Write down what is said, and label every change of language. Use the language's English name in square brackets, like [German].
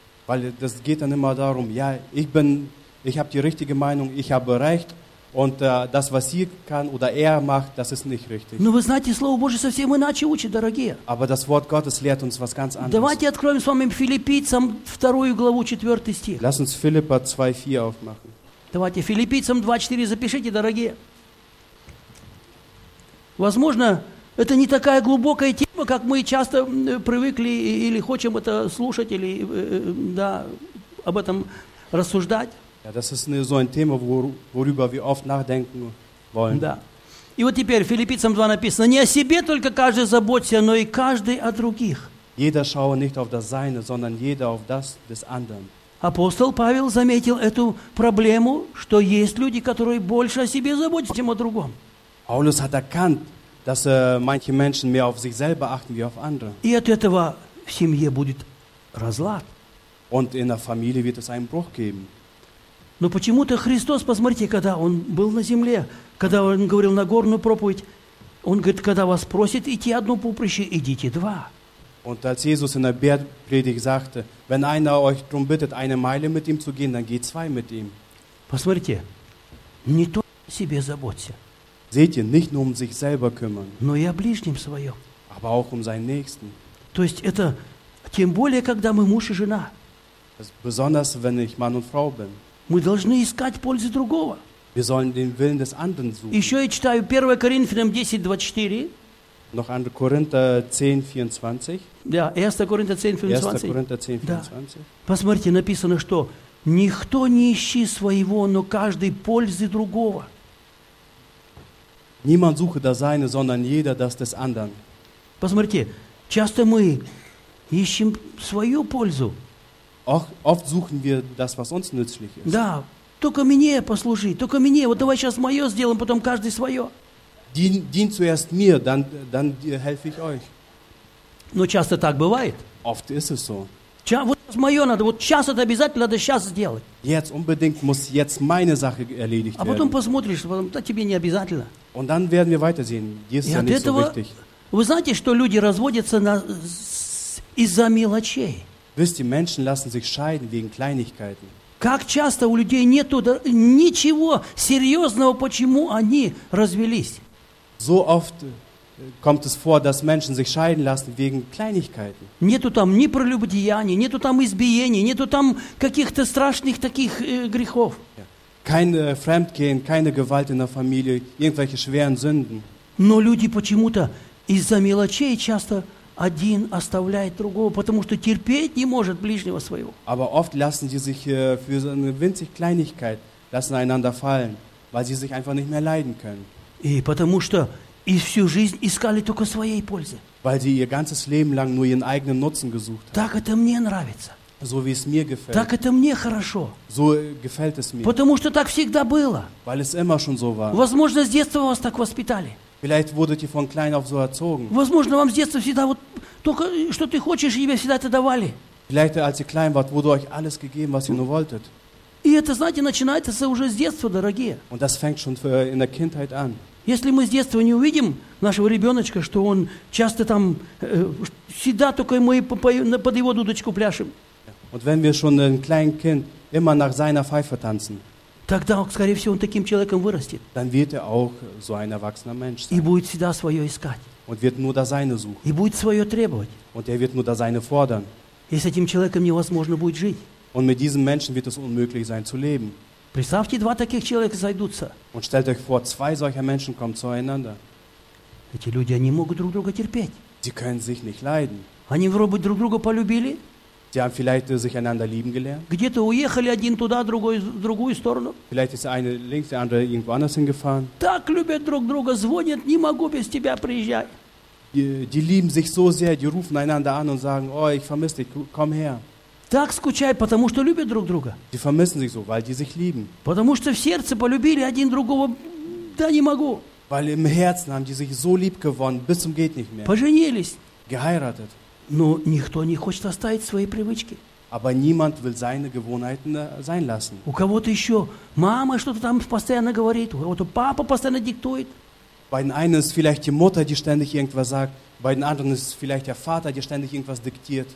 [German] Weil das geht dann immer darum, ja, ich habe die richtige Meinung, ich habe recht. Und das, was sie kann oder er macht, das ist nicht richtig. [Russian] Но вы знаете, Слово Божие совсем иначе учит, дорогие. [German] Aber das Wort Gottes lehrt uns was ganz anderes. [Russian] Давайте откроем с вами Филиппийцам 2 главу, 4 стих. [German] Lass uns Philippa 2,4 aufmachen. [Russian] Давайте Филиппийцам 2,4 запишите, дорогие. Возможно, это не такая глубокая тема, как мы часто привыкли или хотим это слушать, или да, об этом рассуждать. [German] Ja, das ist so ein Thema, worüber wir oft nachdenken wollen. [Russian] Да. И вот теперь Филиппийцам 2 написано: не о себе только каждый заботься, но и каждый о других. [German] Jeder schaue nicht auf das Seine, sondern jeder auf das des anderen. [Russian] Апостол Павел заметил эту проблему, что есть люди, которые больше о себе заботятся, чем о другом. [German] Paulus hat erkannt, dass manche Menschen mehr auf sich selber achten wie auf andere. [Russian] И от этого в семье будет разлад. [German] Und in der Familie wird es einen Bruch geben. [Russian] Но почему-то Христос, посмотрите, когда Он был на земле, когда Он говорил Нагорную проповедь, Он говорит, когда вас просят идти одно поприще, идите два. [German] Und als Jesus in der Bergpredigt sagte, wenn einer euch drum bittet, eine Meile mit ihm zu gehen, dann geht zwei mit ihm. [Russian] Посмотрите, не только о себе заботься. [German] Seht ihr, nicht nur um sich selber kümmern. [Russian] Но и о ближнем своем. [German] Aber auch um seinen Nächsten. [Russian] То есть это, тем более, когда мы муж и жена. [German] Besonders, wenn ich Mann und Frau bin. [Russian] Мы должны искать пользы другого. [German] Wir sollen den Willen des anderen suchen. [Russian] Еще я читаю 1 Коринфянам 10:24. [German] Noch 1 Korinther 10:24. [Russian] Да, 1 Коринфянам 10:24. 1 Коринфянам 10:24. Да. Посмотрите, написано, что никто не ищи своего, но каждый пользы другого. [German] Niemand suche das Seine, sondern jeder das des anderen. [Russian] Посмотрите, часто мы ищем свою пользу. [German] Oft suchen wir das, was uns nützlich ist. [Russian] Да, только мне послужи, только мне. Вот давай сейчас мое сделаем, потом каждый свое. [German] Dien zuerst mir, dann helfe ich euch. [Russian] Но часто так бывает. [German] Oft ist es so. [Russian] Вот сейчас мое надо, вот сейчас это обязательно надо сейчас сделать. [German] Jetzt unbedingt muss jetzt meine Sache erledigt werden. [Russian] А потом посмотришь, потом, да, тебе не обязательно. [German] Und dann werden wir weitersehen. Dies ist ja nicht so wichtig. [Russian] Вы знаете, что люди разводятся из-за мелочей. [German] Wisst ihr, Menschen lassen sich scheiden wegen Kleinigkeiten. [Russian] Как часто у людей нету ничего серьезного, почему они развелись? [German] So oft kommt es vor, dass Menschen sich scheiden lassen wegen Kleinigkeiten. [Russian] Нету там ни прелюбодеяния, нету там избиений, нету там каких-то страшных таких грехов. [German] Kein Fremdgehen, keine Gewalt in der Familie, irgendwelche schweren Sünden. [Russian] Но люди почему-то из-за мелочей часто один оставляет другого, потому что терпеть не может ближнего своего. [German] Aber oft lassen sie sich für so eine winzig Kleinigkeit lassen einander fallen, weil sie sich einfach nicht mehr leiden können. [Russian] И потому что и всю жизнь искали только своей пользы. [German] Weil sie ihr ganzes Leben lang nur ihren eigenen Nutzen gesucht haben. [Russian] Так это мне нравится. [German] So wie es mir gefällt. [Russian] Так это мне хорошо. [German] So gefällt es mir. [Russian] Потому что так всегда было. [German] Weil es immer schon so war. [Russian] Возможно, с детства вас так воспитали. [German] Vielleicht wurdet ihr von klein auf so erzogen. [Russian] Возможно, вам с детства всегда вот только что ты хочешь, тебе всегда это давали. [German] Vielleicht als ihr klein wart, wurde euch alles gegeben, was ihr nur wolltet. [Russian] И это, знаете, начинается уже с детства, дорогие. [German] Und das fängt schon in der Kindheit an. [Russian] Если мы с детства не увидим нашего ребеночка, что он часто там всегда только мы под его дудочку пляшем. [German] Und wenn wir schon ein kleines Kind immer nach seiner Pfeife tanzen, [Russian] тогда, скорее всего, он таким человеком вырастет. [German] Dann wird er auch so ein erwachsener Mensch sein. [Russian] И будет всегда свое искать. [German] Und wird nur das seine suchen. [Russian] И будет свое требовать. [German] Und er wird nur das seine fordern. [Russian] И с этим человеком невозможно будет жить. [German] Und mit diesem Menschen wird es unmöglich sein zu leben. [Russian] Представьте, два таких человека сойдутся. [German] Und stellt euch vor, zwei solcher Menschen kommen zueinander. [Russian] Эти люди, они могут друг друга терпеть. [German] Sie können sich nicht leiden. [Russian] Они вроде бы друг друга полюбили. [German] Die haben vielleicht sich einander lieben gelernt. [Russian] Где-то уехали один туда, другой в другую сторону. [German] Vielleicht ist einer links, der andere irgendwo anders hingefahren. [Russian] Так любят друг друга, звонят, не могу без тебя приезжать. [German] Die lieben sich so sehr, die rufen einander an und sagen, oh, ich vermisse dich, komm her. [Russian] Так скучают, потому что любят друг друга. [German] Die vermissen sich so, weil die sich lieben. [Russian] Потому что в сердце полюбили один другого, да не могу. [German] Weil im Herzen haben die sich so lieb gewonnen, bis zum geht nicht mehr. [Russian] Поженились. [German] Geheiratet. [Russian] Но никто не хочет оставить свои привычки. [German] Aber niemand will seine Gewohnheiten sein lassen. [Russian] У кого-то еще мама что-то там постоянно говорит, у кого-то папа постоянно диктует. [German] Bei den einen ist vielleicht die Mutter, die ständig irgendwas sagt. Bei den anderen ist vielleicht der Vater, der ständig irgendwas diktiert.